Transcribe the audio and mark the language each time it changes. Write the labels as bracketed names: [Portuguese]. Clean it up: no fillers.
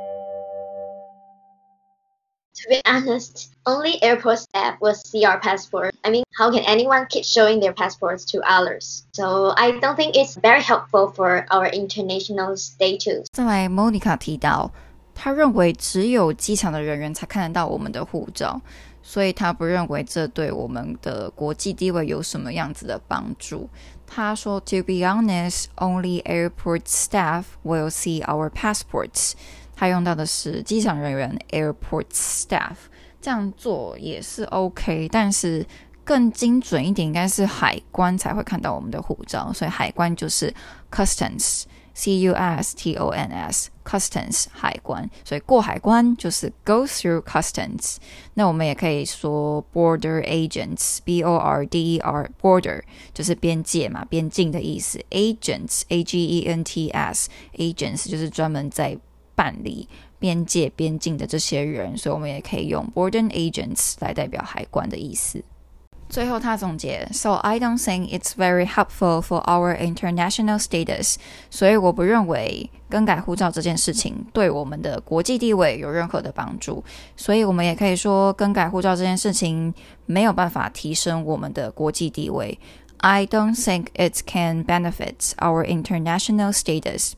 [English] To be honest, only airport staff will see our passport. I mean, how can anyone keep showing their passports to others? So I don't think it's very helpful for our international status. [Chinese] 再来 Monica 提到，她认为只有机场的人员才看得到我们的护照，所以她不认为这对我们的国际地位有什么样子的帮助。她说 [English] ，To be honest, only airport staff will see our passports. [Chinese] 他用到的是机场人员 airport staff， 这样做也是 OK， 但是更精准一点应该是海关才会看到我们的护照，所以海关就是 customs， C-U-S-T-O-N-S， customs 海关，所以过海关就是 [English] go through customs。 [Chinese] 那我们也可以说 border agents， B-O-R-D-E-R， border 就是边界嘛，边境的意思， agents， A-G-E-N-T-S， agents 就是专门在办理边界边境的这些人，所以我们也可以用 border agents 来代表海关的意思。最后他总结 [English] So I don't think it's very helpful for our international status. [Chinese] 所以我不认为更改护照这件事情对我们的国际地位有任何的帮助，所以我们也可以说更改护照这件事情没有办法提升我们的国际地位。 [English] I don't think it can benefit our international status.